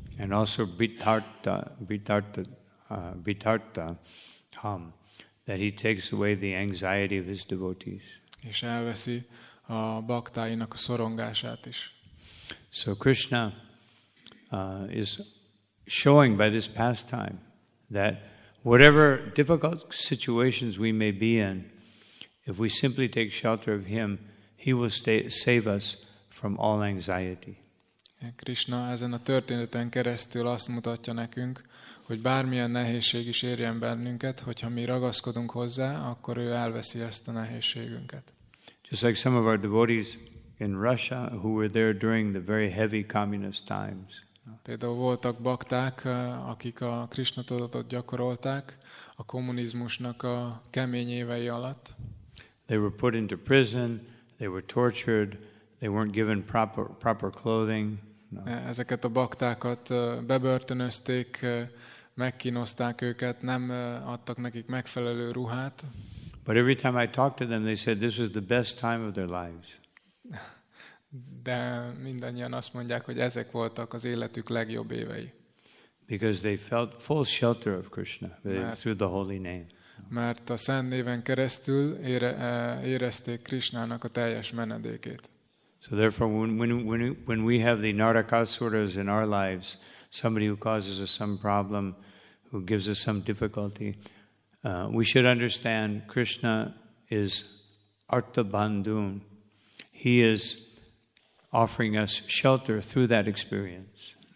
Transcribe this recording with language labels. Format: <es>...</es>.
<en>And also Bhitartham, that he takes away the anxiety of his devotees.</en> <hu>És elveszi a baktáinak a szorongását is.</hu> <en>So Krishna is showing by this pastime that whatever difficult situations we may be in, if we simply take shelter of him, he will save us from all anxiety.</en> <hu>Krishna ezen a történeten keresztül azt mutatja nekünk, hogy bármilyen nehézség is érjen bennünket, hogyha mi ragaszkodunk hozzá, akkor ő elveszi ezt a nehézségünket.</hu> <en>Just like some of our devotees in Russia who were there during the very heavy communist times.</en> <hu>Például voltak bakták, akik a Krishna tudatot gyakorolták a kommunizmusnak a kemény évei alatt.</hu> <en>They were put into prison, they were tortured, they weren't given proper clothing.</en> <hu>Ezeket a baktákat bebörtönözték, megkínozták őket, nem adtak nekik megfelelő ruhát.</hu> <en>But every time I talked to them, they said this was the best time of their lives.</en> <hu>De mindannyian azt mondják, hogy ezek voltak az életük legjobb évei.</hu> <en>Because they felt full shelter of Krishna through the holy name.</en> <hu>Mert a szent néven keresztül érezték Krishnának a teljes menedékét.</hu> <en>So therefore, when we have the Narakasuras in our lives, somebody who causes us some problem, who gives us some difficulty, we should understand Krishna is Artha Bandhun. He is offering us shelter through that experience.</en>